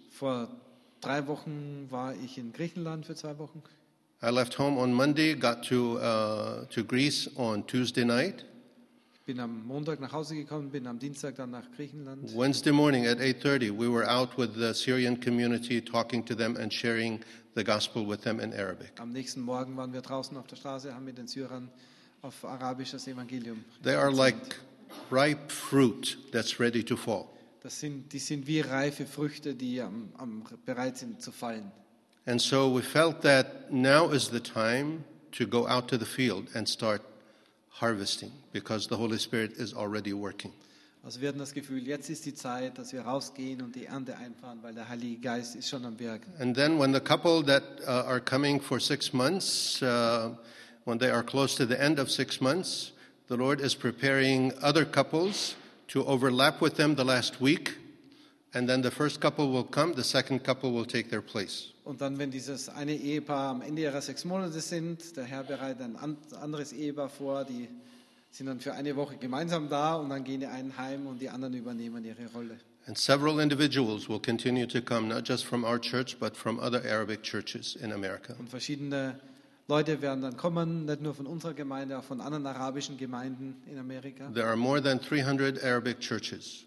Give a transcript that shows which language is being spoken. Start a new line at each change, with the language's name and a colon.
German: Vor 3 Wochen war ich in Griechenland für 2 Wochen.
English: I left home on Monday, got to Greece on Tuesday night.
German: Ich bin am Montag nach Hause gekommen, bin am Dienstag dann nach Griechenland.
English: Wednesday morning at 8:30, we were out with the Syrian community, talking to them and sharing the gospel with them in Arabic.
German: Am nächsten Morgen waren wir draußen auf der Straße, haben mit den Syrern auf Arabisch das Evangelium.
English: They are like ripe fruit that's ready to fall.
German: Die sind wie reife Früchte, die am bereit sind zu fallen.
English: And so we felt that now is the time to go out to the field and start harvesting, because the Holy Spirit is already working.
German: Also wir hatten das Gefühl, jetzt ist die Zeit, dass wir rausgehen und die Ernte einfahren, weil der Heilige Geist ist schon am Werk.
English: And then when the couple that are coming for 6 months, when they are close to the end of 6 months, the Lord is preparing other couples to overlap with them the last week, and then the first couple will come, the second couple will take their place.
German: Und dann, wenn dieses eine Ehepaar am Ende ihrer 6 Monate sind, der Herr bereitet ein anderes Ehepaar vor, die sind dann für eine Woche gemeinsam da und dann gehen die einen heim und die anderen übernehmen ihre Rolle.
English: And several individuals will continue to come, not just from our church, but from other Arabic churches in America.
German: Und verschiedene Leute werden dann kommen, nicht nur von unserer Gemeinde, auch von anderen arabischen Gemeinden in Amerika.
English: There are more than 300 Arabic churches.